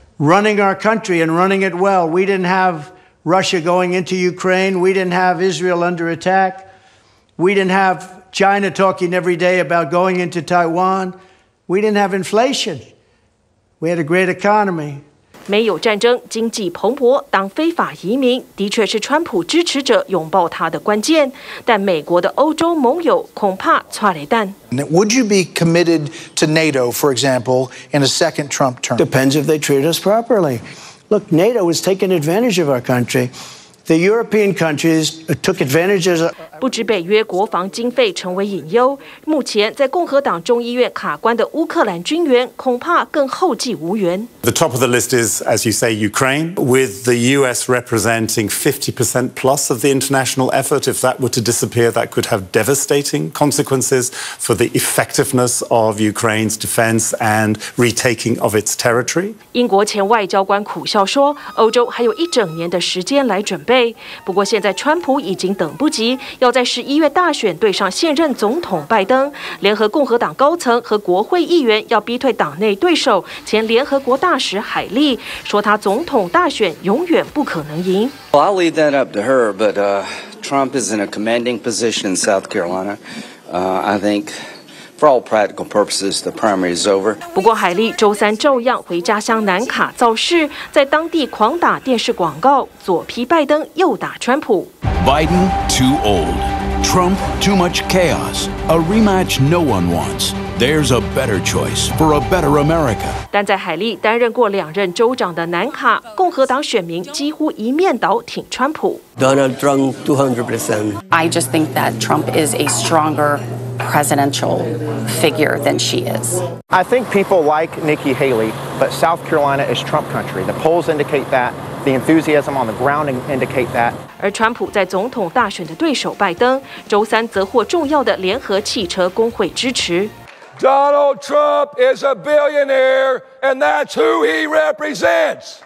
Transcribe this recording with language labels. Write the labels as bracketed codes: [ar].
[en] Running our country and running it well, we didn't have Russia going into Ukraine, we didn't have Israel under attack, we didn't have China talking every day about going into Taiwan. We didn't have inflation. We had a great economy. [zh] 没有战争，经济蓬勃，当非法移民的确是川普支持者拥抱他的关键，但美国的欧洲盟友恐怕差了蛋。 [en] Would you be committed to NATO, for example, in a second Trump term? Depends if they treat us properly. Look, NATO has taken advantage of our country. The European countries took advantage of our country. [zh] 不止北约国防经费成为隐忧，目前在共和党众议院卡关的乌克兰军援恐怕更后继无援。 [en] The top of the list is, as you say, Ukraine, with the U.S. representing 50% plus of the international effort. If that were to disappear, that could have devastating consequences for the effectiveness of Ukraine's defense and retaking of its territory. [zh] 英国前外交官苦笑说：“欧洲还有一整年的时间来准备。” 不过现在川普已经等不及，要在11月大选对上现任总统拜登，联合共和党高层和国会议员要逼退党内对手前联合国大使海利，说他总统大选永远不可能赢。 [en] Well, I'll leave that up to her, but Trump is in a commanding position in South Carolina. I think. For all practical purposes, the primary is over. [zh] 不过海利周三照样回家乡南卡造势，在当地狂打电视广告，左批拜登，右打川普。 [en] Biden too old, Trump too much chaos. A rematch no one wants. There's a better choice for a better America. [zh] 但在海利担任过两任州长的南卡，共和党选民几乎一面倒挺川普。 [en] Donald Trump 200%. I just think that Trump is a stronger. Presidential figure than she is. I think people like Nikki Haley, but South Carolina is Trump country. The polls indicate that. The enthusiasm on the ground indicate that. [zh] 而川普在总统大选的对手拜登，周三则获重要的联合汽车工会支持。 [en] Donald Trump is a billionaire, and that's who he represents.